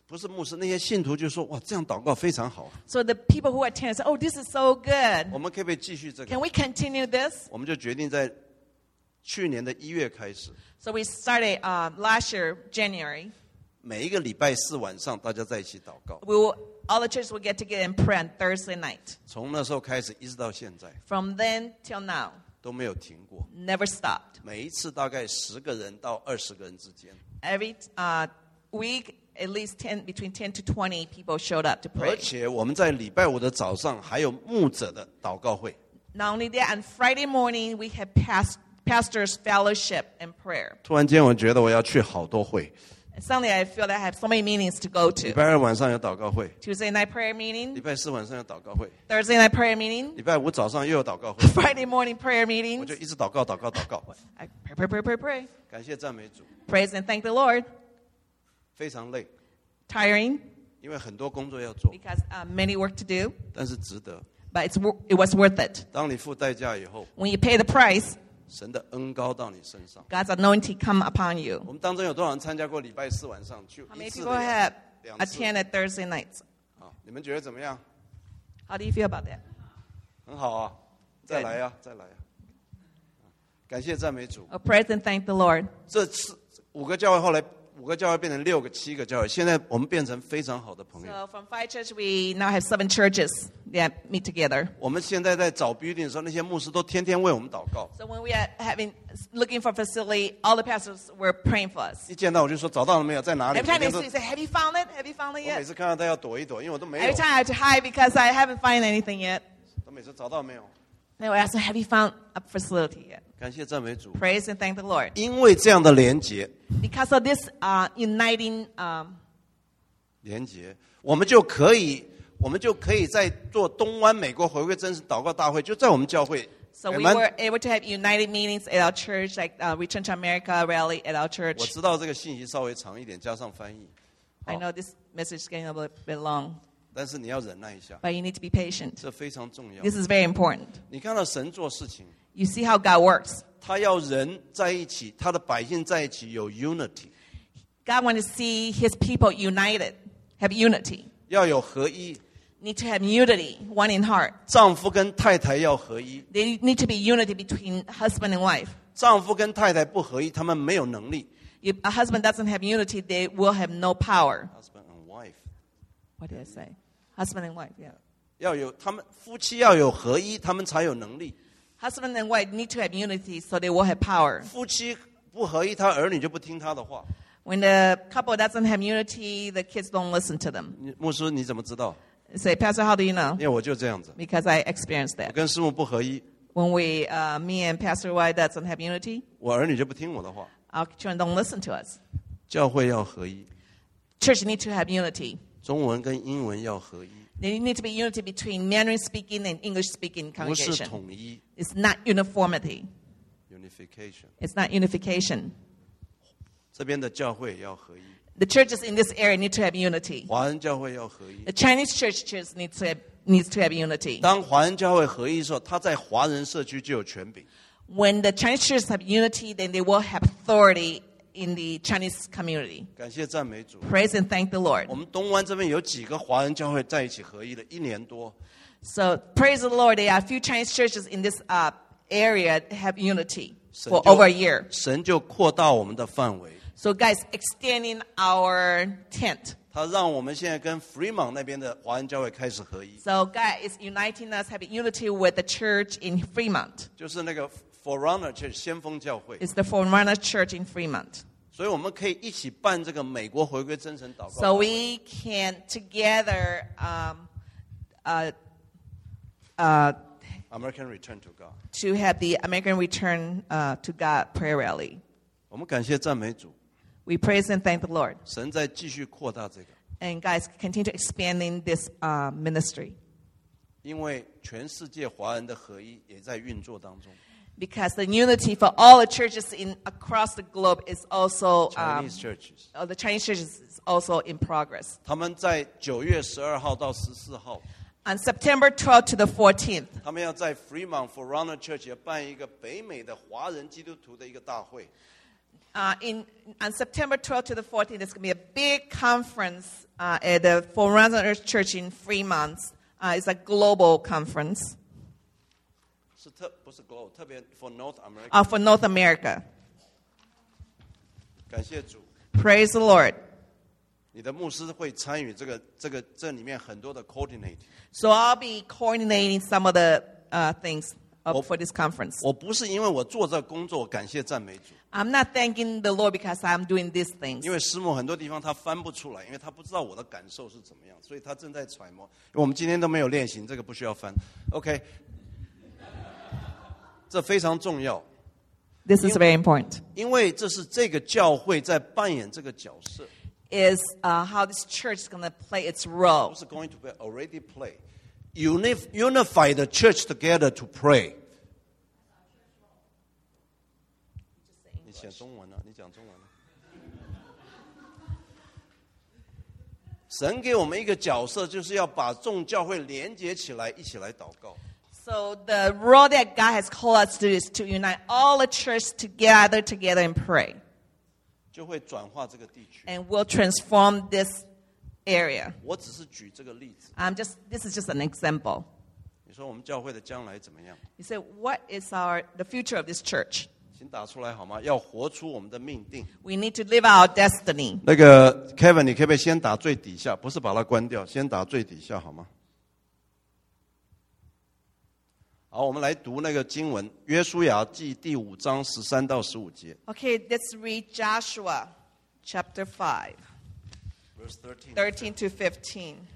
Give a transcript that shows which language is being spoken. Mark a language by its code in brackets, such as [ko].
[zh] 然后这些牧师们就不是牧师那些信徒就说哇这样祷告非常好 [en] So the people who attended said, oh, this is so good. [zh] 我们可不可以继续这个? [en] Can we continue this? [zh] 我们就决定在去年的1月开始。 [en] So we started last year, January. [zh] 每一个礼拜四晚上大家在一起祷告。 [en] All the churches will get together and pray on Thursday night. [zh] 从那时候开始一直到现在。 [en] From then till now. [zh] 都没有停过, [en] never stopped. [zh] 每一次大概10个人到20个人之间。 [en] Every week, at least between 10 to 20 people showed up to pray. [zh] 而且我们在礼拜五的早上还有牧者的祷告会。 [en] Not only that, on Friday morning, we had pastors' fellowship and prayer. [zh] 突然间我觉得我要去好多会。 [en] Suddenly, I feel that I have so many meetings to go to. [zh] 礼拜二晚上有祷告会。 [en] Tuesday night prayer meeting. [zh] 礼拜四晚上有祷告会。 [en] Thursday night prayer meeting. [zh] 礼拜五早上又有祷告会。 [en] Friday morning prayer meetings. [zh] 我就一直祷告。 [en] I pray, pray, pray, pray, pray. [zh] 感谢赞美主。 [en] Praise and thank the Lord. [zh] 非常累。 [en] Tiring. [zh] 因为很多工作要做。 [en] Because many work to do. [zh] 但是值得。 [en] But it was worth it. [zh] 当你付代价以后。 [en] When you pay the price. [zh] 神的恩膏到你身上, [en] God's anointing come upon you. [zh] 我们当中有多少人参加过礼拜四晚上, 就一次的两次, [en] how many people have attended Thursday nights? [zh] 好, 你们觉得怎么样? [en] How do you feel about that? [zh] 很好啊, 再来啊, 再来啊。感谢赞美主。 [en] A praise and thank the Lord. [zh] 这五个教会后来变成六个七个教会, 现在我们变成非常好的朋友。 [en] So from 5 churches, we now have 7 churches that meet together. [zh] 我们现在在找 building 的时候, 那些牧师都天天为我们祷告。 [en] So when we are having looking for facility, all the pastors were praying for us. [zh] 一见到我就说, 找到了没有, 在哪里? [en] Every time they say, have you found it? Have you found it yet? [zh] 我每次看到他要躲一躲, 因为我都没有。 [en] Every time I have to hide because I haven't found anything yet. [zh] 都每次找到没有。 [en] They will ask, have you found a facility yet? [zh] 感谢赞美主, [en] praise and thank the Lord. [zh] 因为这样的连结, [en] because of this uniting [zh] 连结, 我们就可以, 我们就可以在做东湾美国回归真实祷告大会, 就在我们教会, [en] so we were able to have united meetings at our church, like Return to America rally at our church. [zh] 我知道这个信息稍微长一点, 加上翻译, [en] I know this message is getting a little bit long. [zh] 但是你要忍耐一下, [en] but you need to be patient. [zh] 这非常重要, [en] this is very important. [zh] 你看到神做事情, [en] you see how God works. [zh] 他要人在一起, 他的百姓在一起, unity. [en] God wants to see his people united, have unity. [zh] 要有合一, [en] need to have unity, one in heart. [zh] 丈夫跟太太要合一。 [en] They need to be unity between husband and wife. [zh] 丈夫跟太太不合一，他们没有能力。 [en] If a husband doesn't have unity, they will have no power. Husband and wife. What did I say? Husband and wife, yeah. [zh] 要有他们夫妻要有合一，他们才有能力。 [en] Husband and wife need to have unity so they will have power. [zh] 夫妻不合一，他儿女就不听他的话。 [en] When the couple doesn't have unity, the kids don't listen to them. [zh] 牧师，你怎么知道？ [en] Say, Pastor, how do you know? [zh] 因为我就这样子。 [en] Because I experienced that. [zh] 我跟师母不合一。 [en] When we, me and Pastor Y doesn't have unity, [zh] 我儿女就不听我的话。 [en] Our children don't listen to us. [zh] 教会要合一。 [en] Church need to have unity. [zh] 中文跟英文要合一。 [en] They need to be unity between Mandarin speaking and English speaking congregation. 不是统一。 It's not uniformity. Unification. It's not unification. [zh] 这边的教会要合一。 [en] The churches in this area need to have unity. [zh] 华人教会要合一。 [en] The Chinese churches need to have unity. [zh] 当华人教会合一的时候，他在华人社区就有权柄。 [en] When the Chinese churches have unity, then they will have authority in the Chinese community. [zh] 感谢赞美主。 [en] Praise and thank the Lord. [zh] 我们东湾这边有几个华人教会在一起合一了一年多。 [en] So praise the Lord, there are a few Chinese churches in this area have unity for over a year. [zh] 神就扩大我们的范围。 [en] So guys, extending our tent. [zh] 他让我们现在跟 Fremont 那边的华人教会开始合一。 [en] So God is uniting us, having unity with the church in Fremont. [zh] 就是那个 Forerunner Church 先锋教会。 [en] It's the Forerunner Church in Fremont. [zh] 所以我们可以一起办这个美国回归真神祷告。 [en] So we can together, American Return to God. To have the American Return to God prayer rally. [zh] 我们感谢赞美主。 [en] We praise and thank the Lord. [zh] 神在继续扩大这个。 [en] And guys, continue to expanding this ministry. 因为全世界华人的合一也在运作当中。 Because the unity for all the churches across the globe is also Chinese churches. The Chinese churches is also in progress. [zh] 他们在9月12号到14号。 [en] On September 12th to the 14th. [zh] 他们要在 Fremont Forerunner Church 也办一个北美的华人基督徒的一个大会。 [en] On September 12th to the 14th, there's going to be a big conference at the Forerunner Church in Fremont. It's a global conference. [zh] 不是 [en] global, [zh] 特别 [en] for North America. For North America. [zh] 感谢主。 [en] Praise the Lord. [zh] 你的牧师会参与这里面很多的 coordinate. [en] So I'll be coordinating some of the things for this conference. [zh] 我不是因为我做这个工作感谢赞美主。 [en] I'm not thanking the Lord because I'm doing these things. [zh] 因为师母很多地方他翻不出来，因为他不知道我的感受是怎么样，所以他正在揣摩。我们今天都没有练习，这个不需要翻。 OK， 这非常重要。 [en] This is very important. [zh] 因为这是这个教会在扮演这个角色。 [en] Is how this church is going to play its role. It's going to be already play. Unify the church together to pray. [zh] 讲中文了，你讲中文了。神给我们一个角色，就是要把众教会连接起来，一起来祷告。 [en] So the role that God has called us to do is to unite all the church together and pray. [zh] 就会转化这个地区。 [en] And will transform this area. [zh] 我只是举这个例子。 [en] This is just an example. [zh] 你说我们教会的将来怎么样 [en] ？You said what is the future of this church? [zh] 请打出来好吗？要活出我们的命定。 [en] We need to live our destiny. [zh] 那个 Kevin， 你可不可以先打最底下？不是把它关掉，先打最底下好吗？好，我们来读那个经文，《约书亚记》第五章十三到十五节。 [en] Okay, let's read Joshua chapter 5, 13 to 15.